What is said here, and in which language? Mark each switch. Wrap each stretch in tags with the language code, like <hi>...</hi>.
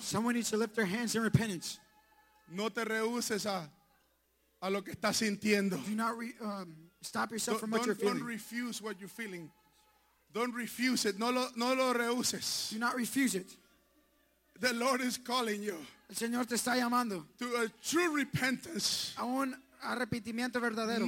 <en>Someone needs to lift their hands in repentance.</en> <es>No te rehuses a lo que estás sintiendo.</es> <en>Do not stop yourself from what you're feeling. Don't refuse what you're feeling. Don't refuse it.</en> <es>No lo rehuses.</es> <en>Do not refuse it. The Lord is calling you.</en> <es>El Señor te está llamando.</es> <en>To a true repentance.</en> <es>A un arrepentimiento verdadero.</es>